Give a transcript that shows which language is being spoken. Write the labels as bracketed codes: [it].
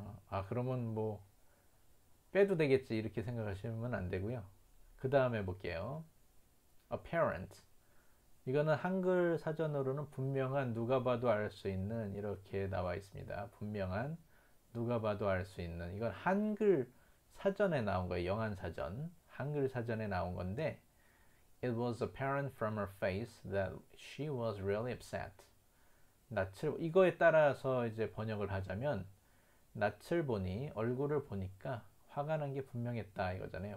[ko] 아, 그러면 뭐 빼도 되겠지 이렇게 생각하시면 안 되고요. 그 다음에 볼게요. Apparent. 이거는 한글 사전으로는 분명한 누가 봐도 알수 있는 이렇게 나와 있습니다. 분명한 누가 봐도 알수 있는 이건 한글 사전에 나온 거예요. 영한 사전. 한글 사전에 나온 건데 [en] It was apparent from her face that she was really upset. [ko] 이거에 따라서 이제 번역을 하자면 낯을 보니 얼굴을 보니까 화가 난게 분명했다 이거잖아요.